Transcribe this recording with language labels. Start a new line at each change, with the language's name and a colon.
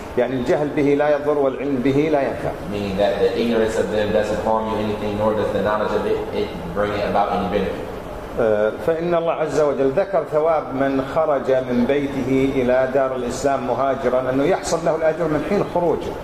Arabic: يعني الجهل به لا يضر والعلم به لا ينفع.
English: Meaning that the ignorance of them doesn't harm you anything, nor does the knowledge of it bring about any benefit.
Arabic: فإن الله عز وجل ذكر ثواب من خرج من بيته إلى دار الإسلام مهاجرا أنه يحصل له الأجر من حين خروجه.